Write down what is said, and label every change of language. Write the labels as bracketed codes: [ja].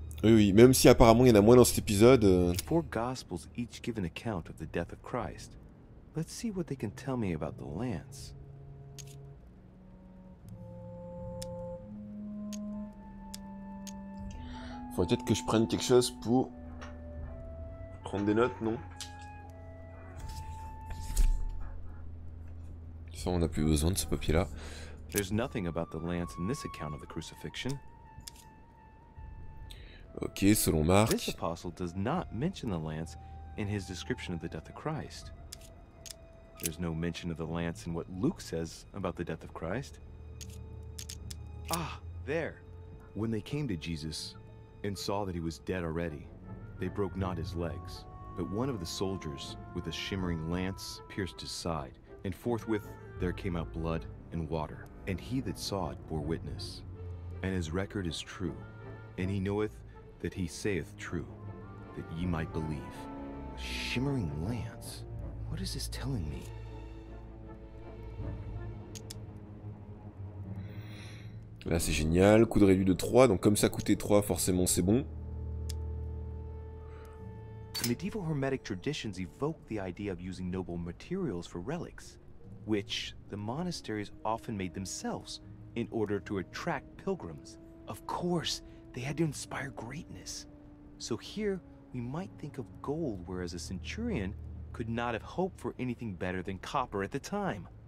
[fr] Oui, même si apparemment il y en a moins dans cet épisode. [en] Four gospels each give an account of the death of Christ. Let's see what they can tell me about the lance. [fr] Faut peut-être que je prenne quelque chose pour prendre des notes, non? Ça, on n'a plus besoin de ce papier-là. [en] There's nothing about the lance in this account of the crucifixion. [fr] Ok, selon Marc. [en] This apostle does not mention the lance in his description of the death of Christ. There's no mention of the lance in what Luke says about the death of Christ. Ah, there. When they came to Jesus and saw that he was dead already, they broke not his legs, but one of the soldiers with a shimmering lance pierced his side, and forthwith there came out blood and water. And he that saw it bore witness, and his record is true, and he knoweth that he saith true, that ye might believe. A shimmering lance? What is this telling me? [fr] Là c'est génial, coût de réduit de 3, donc comme ça coûtait 3, forcément c'est bon. [en] The medieval hermetic traditions evoked the idea of using noble materials for relics, which the monasteries often made themselves in order to attract pilgrims. Of course, they had to inspire greatness. So here, we might think of gold, whereas a centurion could not have hoped for anything better than copper at the time.